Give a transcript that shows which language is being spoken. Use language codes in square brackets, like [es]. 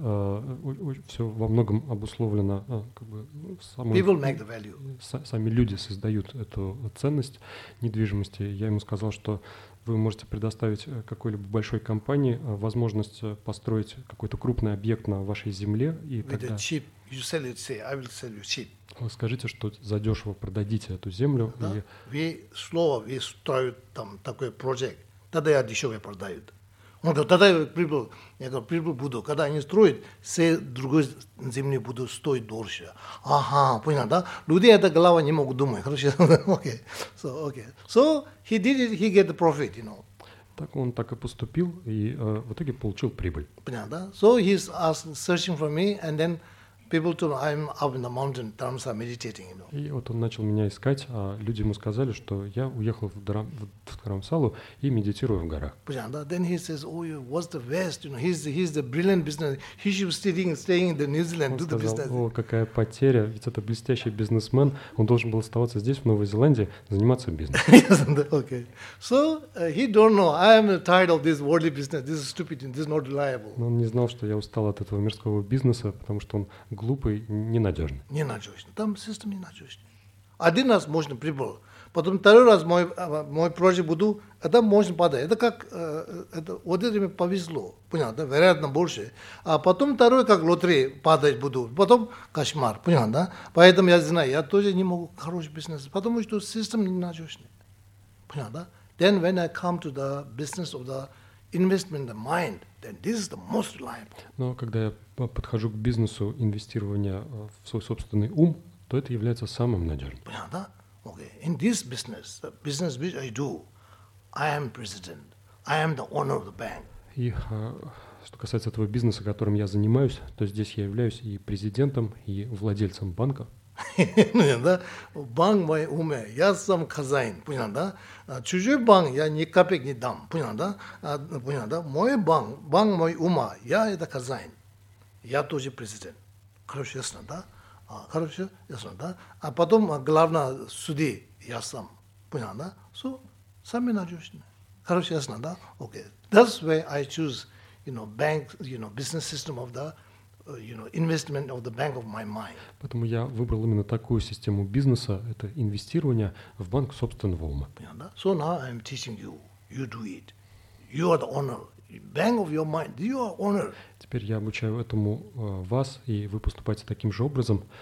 [ru] Все во многом обусловлено. [en] People make the value. [ru] Сами люди создают эту ценность недвижимости. Я ему сказал, что вы можете предоставить какой-либо большой компании возможность построить какой-то крупный объект на вашей земле. И тогда [en] cheap, you sell it, say, I will sell you cheap. [ru] Вы скажите, что задешево продадите эту землю. Да? Вы строят там такой проект, тогда я дешево продаю. Он говорит, тогда я прибыл. Я говорю, прибыл буду. Когда они строят, все другой земли будут стоить дольше. Ага, понял, да? Люди это голова не могут думать. Хорошо, окей. So, okay. [en] So, he did it, he get the profit, you know. [ru] Так он так и поступил, и в итоге получил прибыль. Понял, да? [en] So, he's asked, searching for me, and then people told me, I'm up in the mountain, Dharams are meditating, you know. [ru] И вот он начал меня искать, а люди ему сказали, что я уехал в Дхарамсалу и медитирую в горах. Понял, да? [en] Then he says, oh, you, what's the best, you know, he's the brilliant business, he should be staying in the New Zealand, [ru] он [en] do [ru] сказал, [en] the business. [ru] О, какая потеря, ведь это блестящий бизнесмен, он должен был оставаться здесь, в Новой Зеландии, заниматься бизнесом. [en] Okay. So, he don't know, I am tired of this worldly business, this is stupid, this is not reliable. [ru] Но он не знал, что я устал от этого мирского бизнеса, потому что он глупый, ненадежный. Ненадежный. Там система ненадежная. Один раз можно прибыл. Потом второй раз мой прожит буду, а там можно падать. Это как, это, вот это мне повезло. Понял, да? Вероятно, больше. А потом второй, как лотерея, падать буду. Потом кошмар. Понял, да? Поэтому я знаю, я тоже не могу хороший бизнес. Потому что система ненадежная. Понял, да? [en] Then when I come to the business of the investment, the mind, then this is the most reliable. [ru] Но когда я подхожу к бизнесу инвестирования в свой собственный ум, то это является самым надежным. Понятно, да? Okay. [en] In this business, the business which I do, I am president. I am the owner of the bank. [ru] И что касается этого бизнеса, которым я занимаюсь, то здесь я являюсь и президентом, и владельцем банка. Понятно, да? Банк мой уме. Я сам хозяин. Понятно, да? Чужой банк я ни копейки не дам. Понятно, да? Понятно, да? Мой банк, банк мой ума. Я это хозяин. Я тоже президент. Хорошо, ясно, да? Хорошо, ясно, да? А потом главное суди я сам. Понял, да? So, сами надежные. Хорошо, ясно, да? Okay. [en] That's why I choose, you know, bank, you know, business system of the, you know, investment of the bank of my mind. [ru] Поэтому я выбрал именно такую систему бизнеса, это инвестирование в банк собственного ума. Понял, да? [en] So now I'm teaching you. You do it. You are the owner. Bank of your mind. You are owner. [ru] Теперь я обучаю этому вас, и вы поступаете таким же образом.